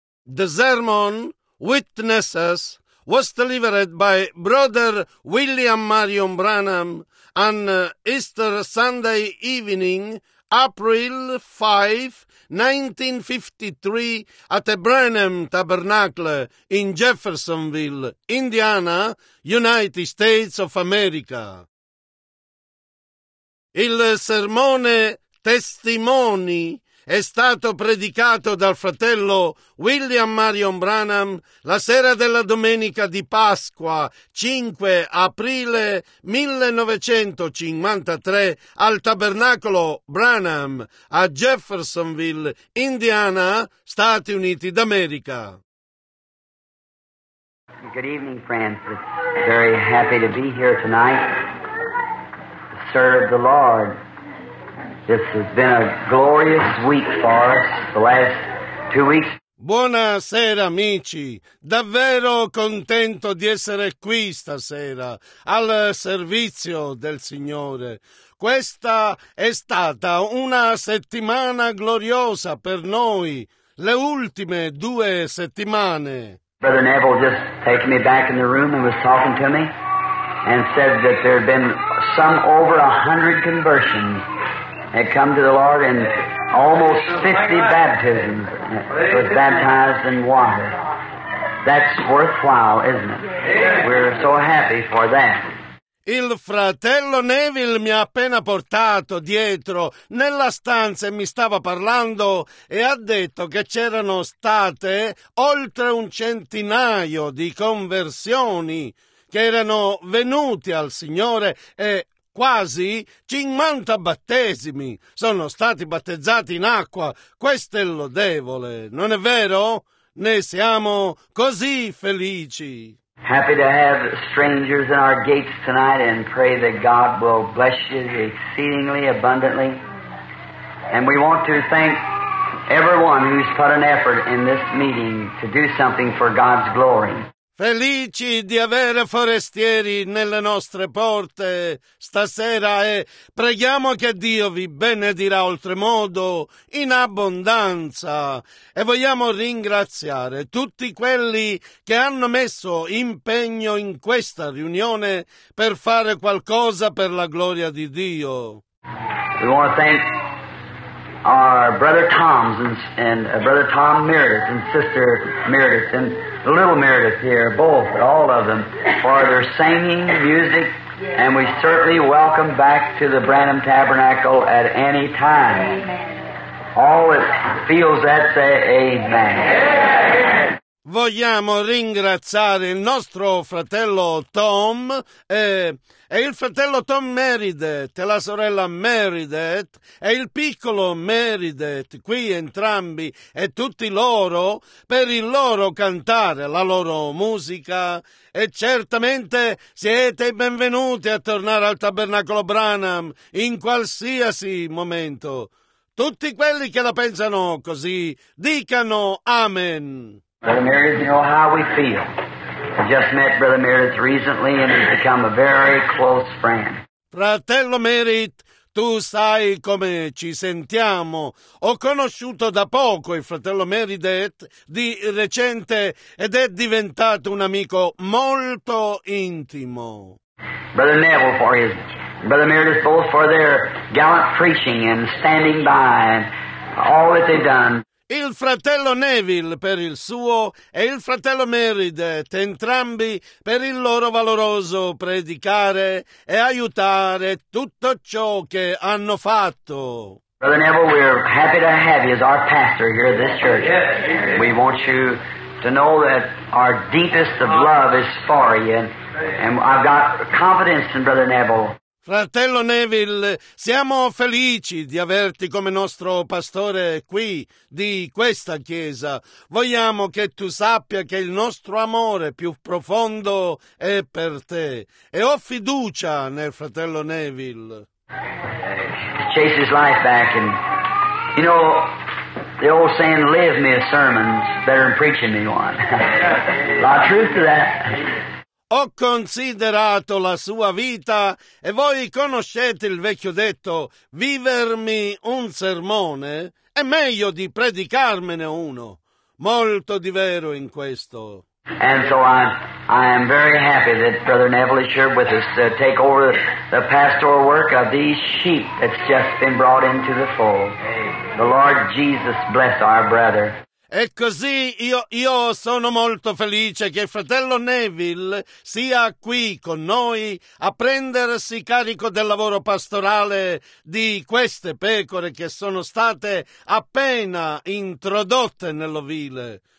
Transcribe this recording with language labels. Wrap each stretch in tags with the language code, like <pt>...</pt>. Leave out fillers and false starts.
<en>The sermon, Witnesses, was delivered by Brother William Marion Branham on Easter Sunday evening, April 5, 1953, at the Branham Tabernacle in Jeffersonville, Indiana, United States of America.</en> <it>Il sermone Testimoni è stato predicato dal fratello William Marion Branham la sera della domenica di Pasqua, 5 aprile 1953, al Tabernacolo Branham a Jeffersonville, Indiana, Stati Uniti d'America.</it> <en>Good evening, friends. It's very happy to be here tonight to serve the Lord. This has been a glorious week for us, the last 2 weeks.</en> <it>Buonasera amici, davvero contento di essere qui stasera al servizio del Signore. Questa è stata una settimana gloriosa per noi, le ultime 2 settimane.</it> <en>Brother Neville just taken me back in the room and was talking to me and said that there had been some over 100 conversions. Had come to the Lord and almost 50 baptisms was baptized in water. That's worthwhile, isn't it? We're so happy for that.</en> <it>Il fratello Neville mi ha appena portato dietro nella stanza e mi stava parlando e ha detto che c'erano state oltre 100 di conversioni che erano venuti al Signore e quasi 50 battesimi sono stati battezzati in acqua. Questo è lodevole, non è vero? Ne siamo così felici.</it> <en>Happy to have strangers in our gates tonight and pray that God will bless you exceedingly abundantly. And we want to thank everyone who's put an effort in this meeting to do something for God's glory.</en> <it>Felici di avere forestieri nelle nostre porte stasera e preghiamo che Dio vi benedirà oltremodo in abbondanza. E vogliamo ringraziare tutti quelli che hanno messo impegno in questa riunione per fare qualcosa per la gloria di Dio.</it> <en>We want to thank our brother Tom's and brother Tom Meredith and sister Meredith and little Meredith here, both, all of them, for their singing, music, and we certainly welcome back to the Branham Tabernacle at any time. Amen. All that feels that, say amen.</en> <it>Vogliamo ringraziare il nostro fratello Tom e il fratello Tom Meredith e la sorella Meredith e il piccolo Meredith, qui entrambi e tutti loro, per il loro cantare, la loro musica. E certamente siete benvenuti a tornare al Tabernacolo Branham in qualsiasi momento. Tutti quelli che la pensano così, dicano amen.</it> <en>Brother Meredith, you know how we feel. I just met Brother Meredith recently and he's become a very close friend.</en> <it>Fratello Meredith, tu sai come ci sentiamo. Ho conosciuto da poco il fratello Meredith di recente ed è diventato un amico molto intimo.</it> <en>Brother Neville for his, Brother Meredith both for their gallant preaching and standing by and all that they've done.</en> <it>Il fratello Neville per il suo e il fratello Meredith, entrambi per il loro valoroso predicare e aiutare tutto ciò che hanno fatto.</it> <en>Brother Neville, we're happy to have you as our pastor here at this church. We want you to know that our deepest of love is for you, and I've got confidence in Brother Neville.</en> <it>Fratello Neville, siamo felici di averti come nostro pastore qui, di questa chiesa. Vogliamo che tu sappia che il nostro amore più profondo è per te. E ho fiducia nel fratello Neville.</it> <en>Chase his life back and, you know, the old saying, live me a sermon, better than preaching me one. A lot of truth to that.</en> <it>Ho considerato la sua vita e voi conoscete il vecchio detto vivermi un sermone è meglio di predicarmene uno. molto di vero in questo.</it> <en>And so I am very happy that Brother Neville is here with us to take over the pastoral work of these sheep that's just been brought into the fold. The Lord Jesus bless our brother.</en> <it>E così io sono molto felice che il fratello Neville sia qui con noi a prendersi carico del lavoro pastorale di queste pecore che sono state appena introdotte nell'ovile.</it>